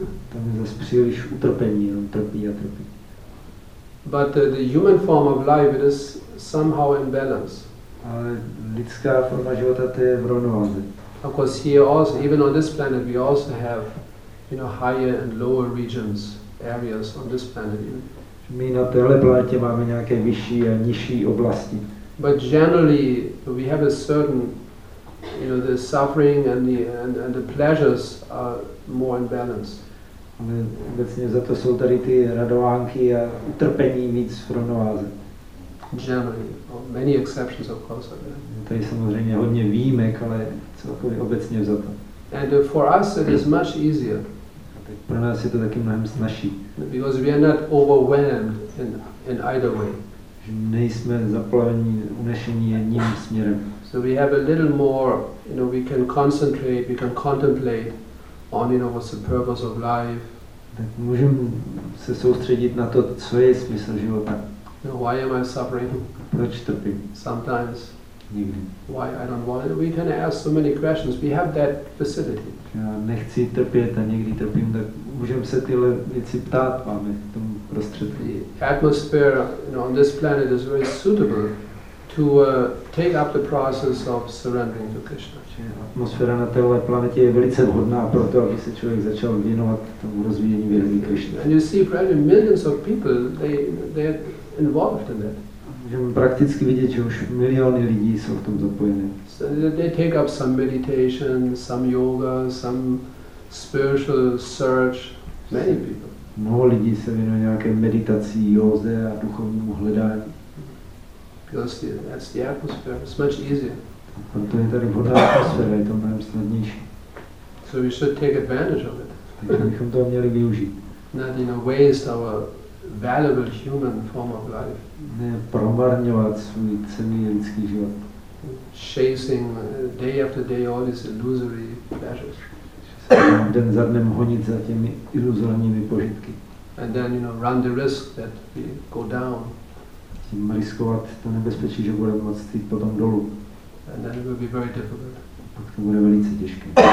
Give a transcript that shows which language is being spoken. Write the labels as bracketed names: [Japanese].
[Czech] Tam je zase příliš utrpení, on trpí a trpí. [English] But the human form of life, it is somehow in balance. [Czech] Ale lidská forma života, to je v rovnováze. [English] Of course, here also, even on this planet, we also have, you know, higher and lower regions, areas on this planet. You know? [Czech] My na téhle planetě máme nějaké vyšší a nižší oblasti. [English] But generally, we have a certain, you know, the suffering and the pleasures are more in balance. [Czech] Ale obecně za to jsou tady ty radovánky a utrpení víc v rovnováze. [English] Generally, well, many exceptions, of course, are there. [Czech] To je samozřejmě hodně výjimek, ale celkově obecně za to. [English] And for us it is much easier. [Czech] Tak pro nás je to taky mnohem snazší. [English] Because we are not overwhelmed in either way. [Czech] Že nejsme zaplavení, unešení jedním směrem. [English] So we have a little more, you know, we can concentrate, we can contemplate on, you know, what's the purpose of life. [Czech] Tak můžeme se soustředit na to, co je smysl života. [English] No, why am I suffering? [Czech] Proč trpím? [English] Sometimes. [Czech] Nikdy. [English] Why I don't want it? We can ask so many questions. We have that facility. [Czech] Já nechci trpět a někdy trpím, tak můžeme se tyhle věci ptát, máme k tomu prostředky. [English] The atmosphere, you know, on this planet is very suitable to take up the process of surrendering to Krishna. [Czech] Atmosféra na téhle planetě je velice vhodná pro to, aby se člověk začal věnovat tomu rozvíjení vědomí Krishna. [English] And you see, probably millions of people, they are involved in that. [Czech] Můžeme prakticky vidět, že už miliony lidí jsou v tom zapojeny. [English] So they take up some meditation, some yoga, some spiritual search. Many people. [Czech] Mnoho lidí se věnuje nějaké meditaci, józe a duchovnímu hledání. [English] Because that's the atmosphere. It's much easier. [Czech] Proto je tady vhodná atmosféra, je to mnohem snadnější. [English] So we should take advantage of it. [Czech] Takže bychom toho měli využít. [English] Not, you know, waste our valuable human form of life. [Czech] Ne promarňovat svůj cenný lidský život. [English] Chasing day after day all these illusory pleasures. [Czech] Den za dnem honit za těmi iluzorními požitky. [English] And then, you know, run the risk that we go down. [Czech] Tím riskovat to nebezpečí, že budeme moc jít potom dolů. [English] And then it will be very difficult. [Czech] Pak to bude velice těžké.